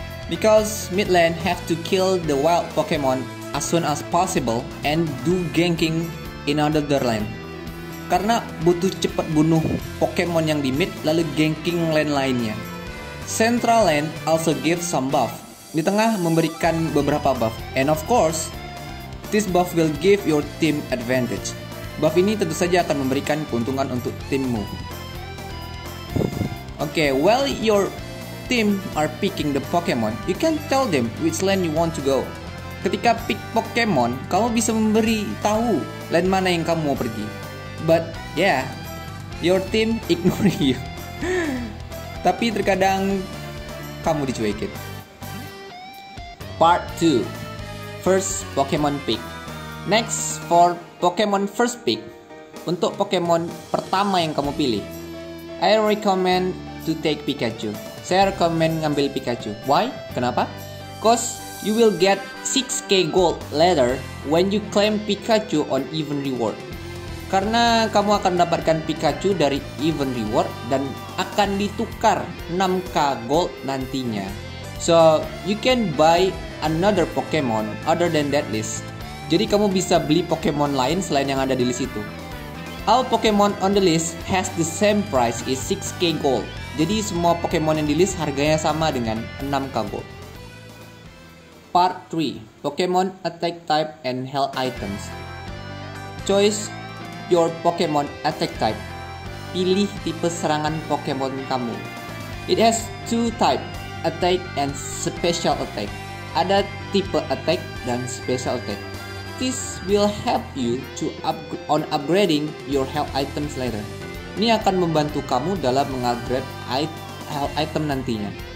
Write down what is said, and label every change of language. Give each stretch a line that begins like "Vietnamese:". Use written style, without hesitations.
English: Because mid lane have to kill the wild Pokemon as soon as possible and do ganking in another lane.
Indonesian: Karena butuh cepat bunuh Pokemon yang di mid lalu ganking lane lainnya.
English: Central lane also give some buff.
Indonesian: Di tengah memberikan beberapa buff.
English: And of course, this buff will give your team advantage.
Indonesian: Buff ini tentu saja akan memberikan keuntungan untuk timmu.
English: Okay, while your team are picking the Pokemon, you can tell them which lane you want to go.
Indonesian: Ketika pick Pokemon, kamu bisa memberi tahu lain mana yang kamu mau pergi.
English: But yeah, your team ignore you.
Indonesian: Tapi terkadang kamu dicuekin.
English: Part 2. First Pokemon pick. Next for Pokemon first pick.
Indonesian: Untuk Pokemon pertama yang kamu pilih,
English: I recommend to take Pikachu.
Indonesian: Saya recommend ngambil Pikachu.
English: Why?
Indonesian: Kenapa?
English: Cause you will get 6k gold later when you claim Pikachu on event reward.
Indonesian: Karena kamu akan mendapatkan Pikachu dari event reward dan akan ditukar 6k gold nantinya.
English: So, you can buy another Pokemon other than that list.
Indonesian: Jadi kamu bisa beli Pokemon lain selain yang ada di list itu.
English: All Pokemon on the list has the same price as 6k gold.
Indonesian: Jadi semua Pokemon yang di list harganya sama dengan 6k gold.
English: Part 3. Pokemon Attack Type and Health Items. Choice your Pokemon Attack Type.
Indonesian: Pilih tipe serangan Pokemon kamu.
English: It has two type, Attack and Special Attack.
Indonesian: Ada tipe Attack dan Special Attack.
English: This will help you to upgrading your health items later.
Indonesian: Ini akan membantu kamu dalam mengupgrade health item nantinya.